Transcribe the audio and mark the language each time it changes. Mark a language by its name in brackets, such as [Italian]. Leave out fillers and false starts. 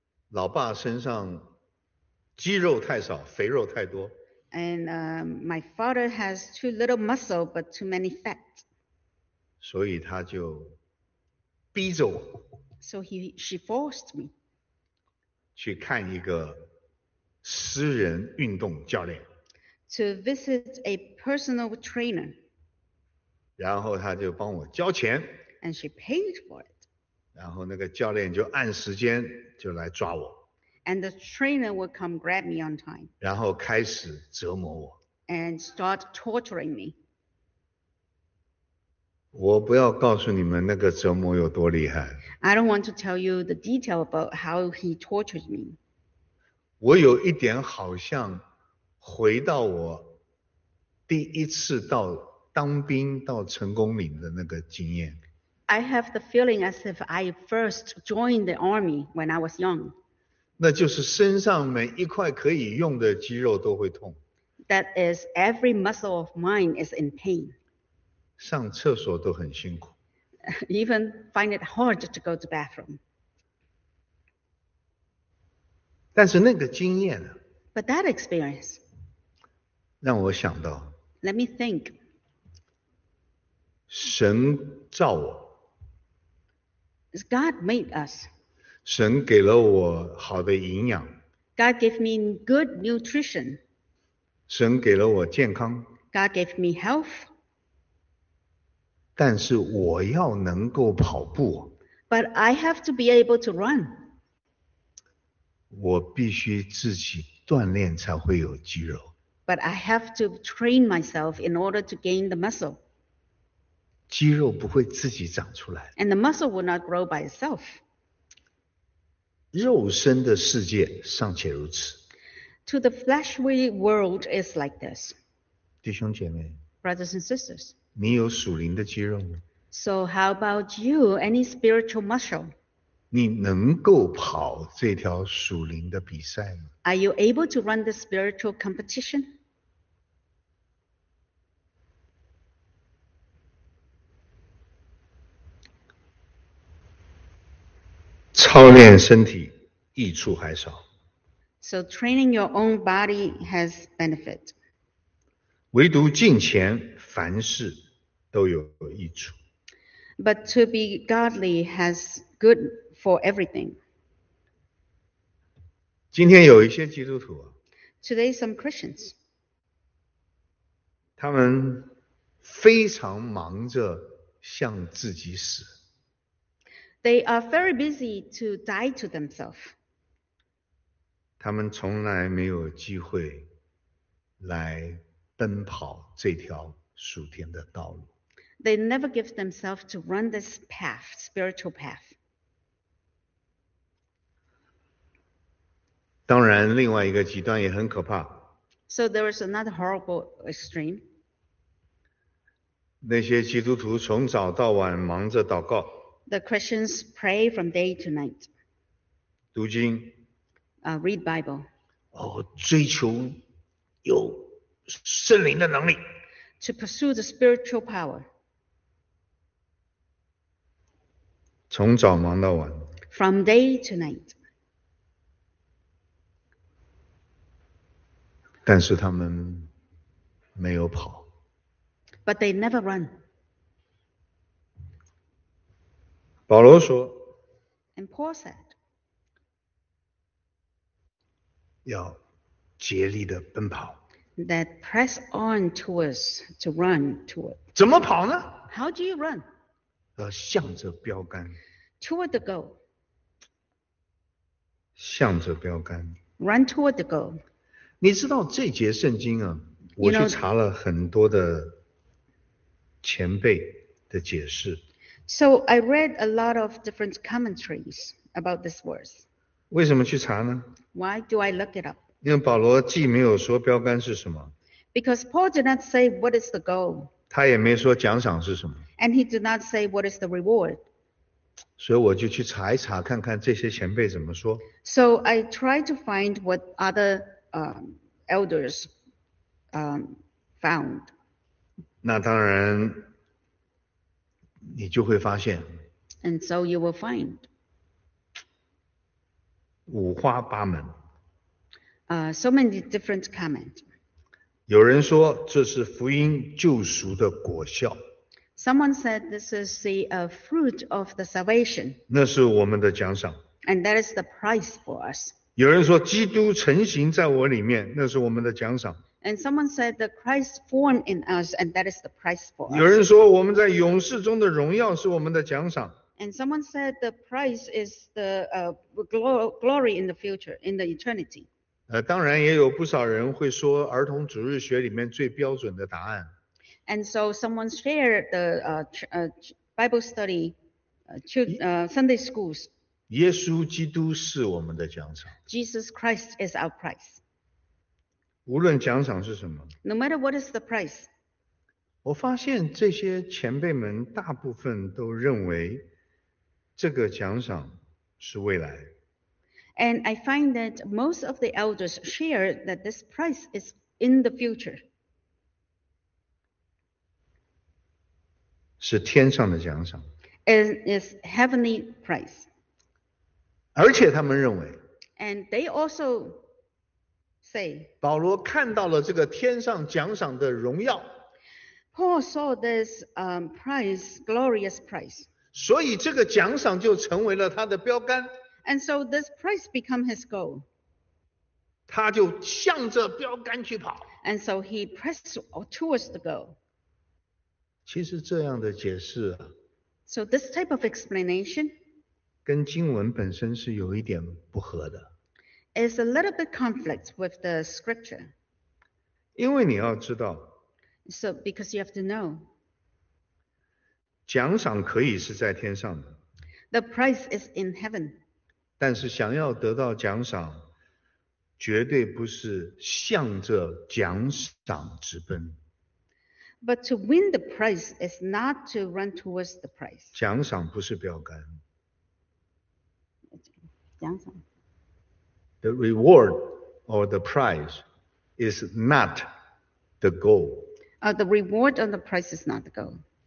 [Chinese] 老爸身上肌肉太少肥肉太多 [English] And my father has too little muscle but too many fat. [Chinese] 所以他就逼着我 [English] So she forced me. [Chinese] 去看一个私人运动教练 [English] To visit a personal trainer. [Chinese] 然后他就帮我交钱 [English] And she paid for it. [Chinese] 然后那个教练就按时间就来抓我。 [English] And the trainer would come grab me on time. [Chinese] 然后开始折磨我。 [English] And start torturing me. [Chinese] 我不要告诉你们那个折磨有多厉害。 [English] I don't want to tell you the detail about how he tortured me. [Chinese] 我有一点好像回到我第一次到当兵到成功岭的那个经验。 [English] I have the feeling as if I first joined the army when I was young. [Chinese] 那就是身上每一块可以用的肌肉都会痛。 [English] That is, every muscle of mine is in pain. [Chinese] 上厕所都很辛苦。 [English] Even find it hard to go to the bathroom. [Chinese] 但是那个经验呢 [English] But that experience. [Chinese] 让我想到 [English] Let me think. [Chinese] 神造我。 [English] It's God made us. [Chinese] 神给了我好的营养。 [English] God gave me good nutrition. [Chinese] 神给了我健康。 [English] God gave me health. [Chinese] 但是我要能够跑步。 [English] But I have to be able to run. [Chinese] 我必须自己锻炼才会有肌肉。 [English] But I have to train myself in order to gain the muscle. [Chinese] 肌肉不会自己长出来。 [English] And the muscle will not grow by itself. [Chinese] 肉身的世界尚且如此。 [English] To the fleshly world is like this. [Chinese] 弟兄姐妹。 [English] Brothers and sisters. [Chinese] 你有属灵的肌肉吗？ [English] So how about you, any spiritual muscle? [Chinese] 你能够跑这条属灵的比赛吗？ [English] Are you able to run the spiritual competition? [Chinese] 操练身体益处还少。 [English] So training your own body has benefit. [Chinese] 唯独敬虔凡事都有益处。 [English] But to be godly has good for everything. [Chinese] 今天有一些基督徒啊。 [English] Today some Christians. [Chinese] 他们非常忙着向自己死。 [English] They are very busy to die to themselves. [Chinese] 他们从来没有机会来奔跑这条属天的道路。 [English] They never give themselves to run this path, spiritual path. [Chinese] 当然，另外一个极端也很可怕。 [English] So there is another horrible extreme. [Chinese] 那些基督徒从早到晚忙着祷告。 [English] The Christians pray from day to night. [Chinese] 读经。 [English] Read Bible. [Chinese] 哦，追求有圣灵的能力。 [English] To pursue the spiritual power. [Chinese] 从早忙到晚。 [English] From day to night. [Chinese] 但是他们没有跑。 [English] But they never run. [Chinese] 保罗说。 [English] And Paul said. [Chinese] 要竭力的奔跑。 [English] That press on towards, to run toward. [Chinese] 怎么跑呢？ [English] How do you run? [Chinese] 向着标杆。 [English] Toward the goal. [Chinese] 向着标杆。 [English] Run toward the goal. [Chinese] 你知道这节圣经啊，我去查了很多的前辈的解释。 [English] So I read a lot of different commentaries about this verse. [Chinese] 为什么去查呢？ [English] Why do I look it up? [Chinese] 因为保罗既没有说标杆是什么。 [English] Because Paul did not say what is the goal. [Chinese] 他也没说奖赏是什么。 [English] And he did not say what is the reward. [Chinese] 所以我就去查一查，看看这些前辈怎么说。 [English] So I tried to find what other elders found. [Chinese] 那当然，你就会发现。 [English] And so you will find. [Chinese] 五花八门。 [English] So many different comments. [Chinese] 有人说这是福音救赎的果效。 [English] Someone said this is the fruit of the salvation. [Chinese] 那是我们的奖赏。 [English] And that is the price for us. [Chinese] 有人说基督成形在我里面，那是我们的奖赏。 [English] And someone said the Christ form in us, and that is the price for us. [Chinese] 有人说我们在勇士中的荣耀是我们的奖赏。 [English] And someone said the price is the glory in the future, in the eternity. [Chinese] 当然也有不少人会说儿童主日学里面最标准的答案。 [English] And so someone shared the Bible study, Sunday schools. [Chinese] 耶稣基督是我们的奖赏。 [English] Jesus Christ is our price. [Chinese] 无论奖赏是什么。 [English] No matter what is the price. [Chinese] 我发现这些前辈们大部分都认为这个奖赏是未来。 [English] And I find that most of the elders share that this price is in the future. [Chinese] 是天上的奖赏。 [English] It is heavenly price. [Chinese] 而且他们认为。 [English] And they also say. [Chinese] 保罗看到了这个天上奖赏的荣耀。 [English] Paul saw this prize, glorious prize. [Chinese] 所以这个奖赏就成为了他的标杆。 [English] And so this prize became his goal. [Chinese] 他就向着标杆去跑。 [English] And so he pressed towards the goal. [Chinese] 其实这样的解释啊。 [English] So this type of explanation. [Chinese] 跟经文本身是有一点不合的。 [English] Is a little bit conflict with the scripture. [Chinese] 因为你要知道。 [English] So because you have to know. [Chinese] 奖赏可以是在天上的。 [English] The prize is in heaven. [Chinese] 但是想要得到奖赏绝对不是向着奖赏直奔。 [English] But to win the prize is not to run towards the prize. [Chinese] 奖赏不是标杆。奖赏。 [English] The reward or the prize is not the goal. The reward or the prize is not the goal.